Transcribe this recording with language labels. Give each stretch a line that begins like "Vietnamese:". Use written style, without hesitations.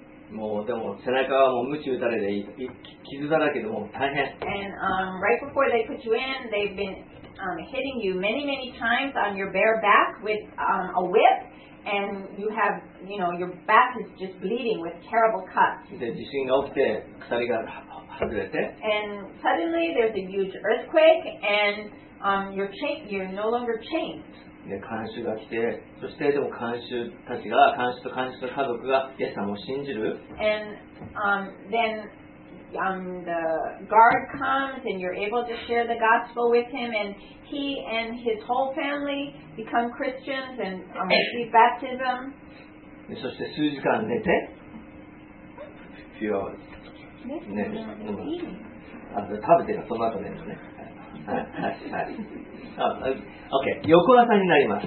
Japanese: もうでも背中はもう鞭打たれて傷だらけでもう大変。
English: And right before they put you in, they've been hitting you many, many times on your bare back with a whip, and you have, you know, your back is just bleeding with terrible cuts.
Japanese: で地震が起きて鎖が外れて。
English: And suddenly there's a huge earthquake, and you're no longer chained.
Japanese: で監修が来て、そしてでも監修たちが、監修と監修と家族がイエス様を信じる。
English: And then the guard comes and you're able to share the gospel with him, and he and his whole family become Christians and receive baptism.
Japanese: でそして数時間寝て、
English: few hours
Japanese: 寝てました。あ、食べてるその後寝るのね。はい、はい、OK、翌朝になります。